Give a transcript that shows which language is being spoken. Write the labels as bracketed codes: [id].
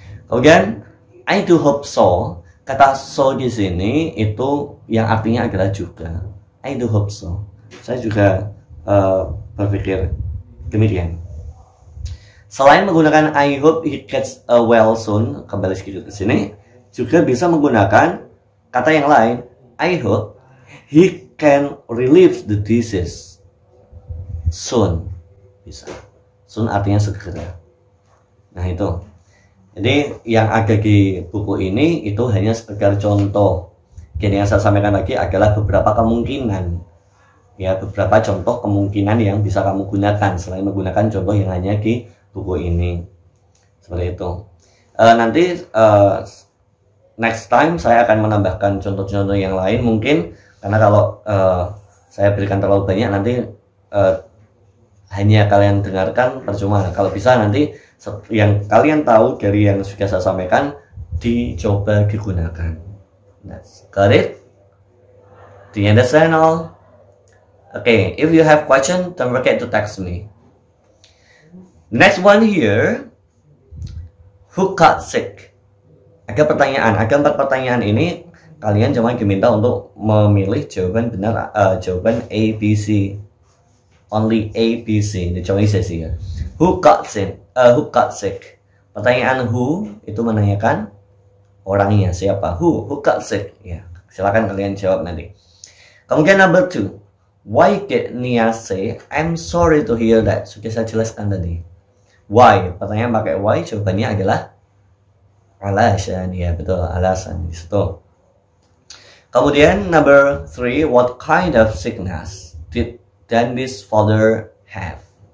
[id] Kemudian, [en] I do hope so. [id] Kata so di sini itu yang artinya adalah juga. I do hope so. Saya juga berpikir demikian. Selain menggunakan [en] I hope he gets well soon, [id] kembali sedikit ke sini, juga bisa menggunakan kata yang lain. [en] I hope he can relieve the disease soon. [id] Bisa. Soon artinya segera. Nah itu. Jadi yang ada di buku ini itu hanya sekedar contoh. Jadi yang saya sampaikan lagi adalah beberapa kemungkinan. Ya, beberapa contoh kemungkinan yang bisa kamu gunakan selain menggunakan contoh yang hanya di buku ini. Seperti itu. Nanti next time saya akan menambahkan contoh-contoh yang lain mungkin, karena kalau saya berikan terlalu banyak nanti hanya kalian dengarkan percuma. Kalau bisa nanti yang kalian tahu dari yang sudah saya sampaikan dicoba digunakan. [en] That's got it. The end of the channel. Okay, if you have question, don't forget to text me. Next one here. Who got sick? [id] Agar pertanyaan ini kalian cuma diminta untuk memilih jawaban benar, jawaban A, B, C. [en] Only A, B, C. The choices here. Who got sick? [id] Pertanyaan who itu menanyakan orangnya siapa. [en] Who got sick? [id] Ya, silakan kalian jawab nanti. Kemudian [en] number two. Why did Nia say I'm sorry to hear that? [id] Sudah saya jelaskan tadi. Why? Pertanyaan pakai why. Jawabannya adalah alasan. Ya betul, alasan di situ. Kemudian [en] number three. What kind of sickness did Dandy's father have?